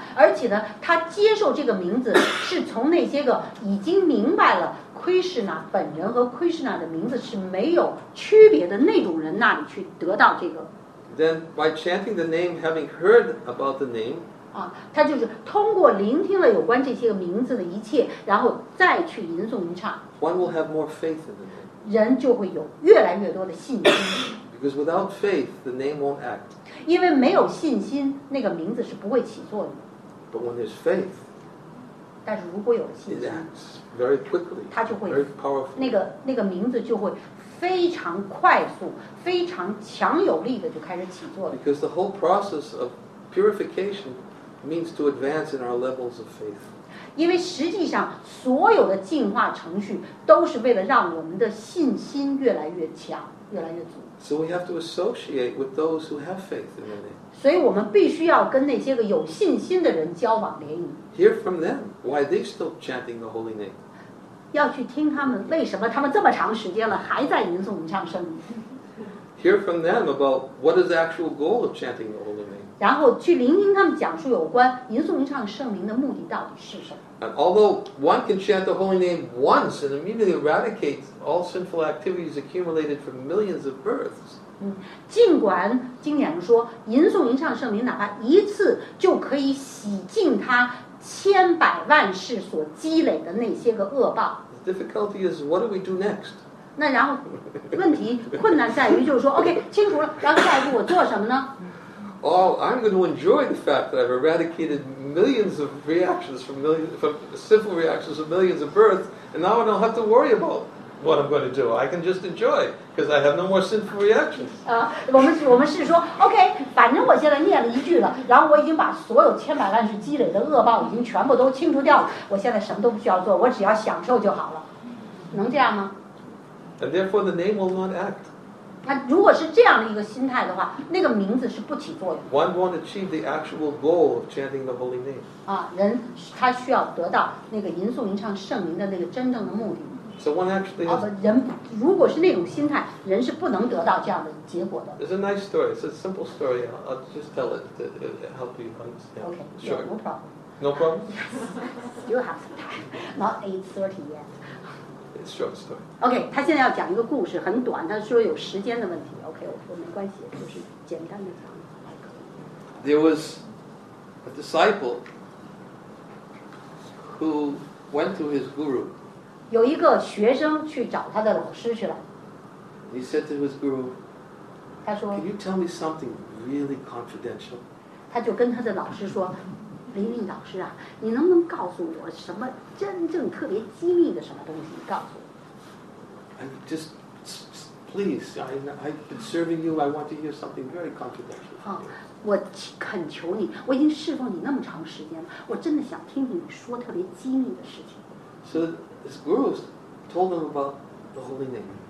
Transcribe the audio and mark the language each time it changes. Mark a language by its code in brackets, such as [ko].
[zh] 而且呢，他接受这个名字是从那些个已经明白了。 Krishna 本人和 Krishna 的名字是没有区别的那种人那里去得到这个。 [en] Then by chanting the name, having heard about the name, [zh] 他就是通过聆听了有关这些个名字的一切，然后再去吟诵吟唱。 [en] One will have more faith in the name. [zh] 人就会有越来越多的信心。 [en] Because without faith, the name won't act. [zh] 因为没有信心，那个名字是不会起作用的。 [en] But when there's faith. [zh] 但是如果有了信心 [en] very quickly, [zh] 它就会 [en] very powerful. [zh] 那个名字就会非常快速非常强有力的就开始起作用 [en] because the whole process of purification means to advance in our levels of faith [zh] 因为实际上所有的进化程序都是为了让我们的信心越来越强，越来越足。 [en] So we have to associate with those who have faith in it. [zh] 所以我们必须要跟那些个有信心的人交往联谊。 [en] Hear from them why they still chanting the holy name. [zh] 要去听他们为什么他们这么长时间了还在吟诵无上圣名。 [en] Hear from them about what is the actual goal of chanting the holy name. [zh] 然后去聆听他们讲述有关吟诵无上圣名的目的到底是什么。 [en] And although one can chant the holy name once and immediately eradicate all sinful activities accumulated from millions of births. [zh] 尽管经典说吟诵无上圣名哪怕一次就可以洗净他千百万世所积累的那些个恶报。 [en] The difficulty is what do we do next? [zh] 那然后问题困难在于就是说 OK 清楚了然后下一步我做什么呢 [en] Oh, I'm going to enjoy the fact that I've eradicated millions of reactions from sinful reactions of millions of births and now I don't have to worry about what I'm going to do I can just enjoy because I have no more sinful reactions [zh] 我们是说 OK 反正我现在念了一句了然后我已经把所有千百万是积累的恶报已经全部都清除掉了我现在什么都不需要做我只要享受就好了能这样吗 [en] And therefore, the name will not act. [zh] 那如果是这样的一个心态的话，那个名字是不起作用。 [en] One won't achieve the actual goal of chanting the holy name. [zh] 啊，人他需要得到那个吟诵吟唱圣名的那个真正的目的。 [en] So one actually. [zh] 人如果是那种心态，人是不能得到这样的结果的。 [en] It's a nice story. It's a simple story. I'll just tell it to help you understand. Okay. Sure. No problem. No problem. Still have some time. Not 8:30 yet. Short story. [zh] OK, 他现在要讲一个故事，很短。他说有时间的问题。 OK, 我说没关系，就是简单的讲。 [en] There was a disciple who went to his guru. [zh] 有一个学生去找他的老师去了。 [en] He said to his guru, [zh] 他说 [en] "Can you tell me something really confidential?" [zh] 他就跟他的老师说。林林老师啊，你能不能告诉我什么真正特别机密的什么东西？你告诉我。 [en] I just please, I've been serving you. I want to hear something very confidential. [zh] 我恳求你，我已经侍奉你那么长时间了，我真的想听听你说特别机密的事情。 [en] So his guru told him about the holy name.